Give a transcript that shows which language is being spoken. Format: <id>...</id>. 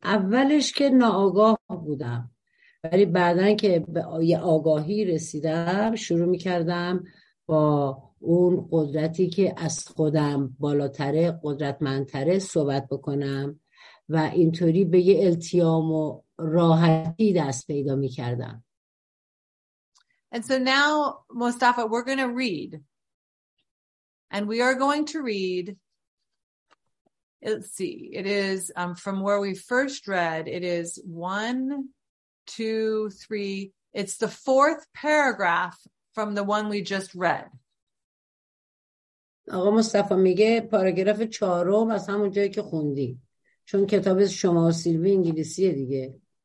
<fa>اولش که ناآگاه بودم، ولی بعدن که به یه آگاهی رسیدم شروع میکردم با اون قدرتی که از خودم بالاتره، قدرتمندتره صحبت بکنم و اینطوری به یه التیام و راحتی دست پیدا میکردم.</fa> <en>And so now, Mustafa, we're going to read. And we are going to read, let's see, it is from where we first read, it is 1, 2, 3, it's the fourth paragraph from the one we just read.</en> <fa>آقا مصطفی میگه پاراگراف چهارم از همون جایی که خوندی، چون کتاب شما و سیلوی انگلیسیه دیگه.</fa>